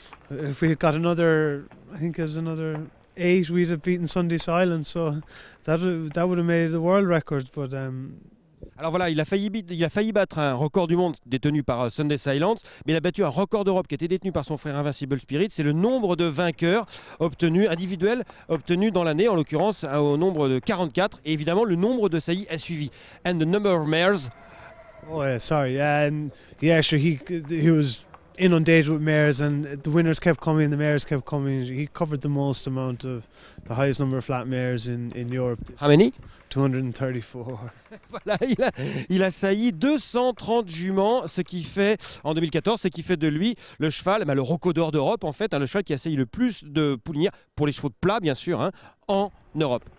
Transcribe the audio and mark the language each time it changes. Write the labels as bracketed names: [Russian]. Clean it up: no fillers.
[English] If we had got another, I think there's another 8, we'd have beaten Sunday's Island, so that would have made the world record, but. [French] Alors voilà, il a failli battre un record du monde détenu par Sunday Silence, mais il a battu un record d'Europe qui était détenu par son frère Invincible Spirit. C'est le nombre de vainqueurs obtenus, individuels obtenus dans l'année, en l'occurrence au nombre de 44. Et évidemment, le nombre de saillies est suivi. [English] And the number of mares. Oh yeah, sorry. Yeah, sure, he was inundated with mares, and the winners kept coming, the mares kept coming. He covered the most amount of, the highest number of flat mares in Europe. How many? 234. [French] Voilà, il a sailli 230 juments, ce qui fait, en 2014, ce qui fait de lui le cheval, le rocodor d'Europe en fait, hein, le cheval qui a sailli le plus de poulinières, pour les chevaux de plat bien sûr, hein, en Europe.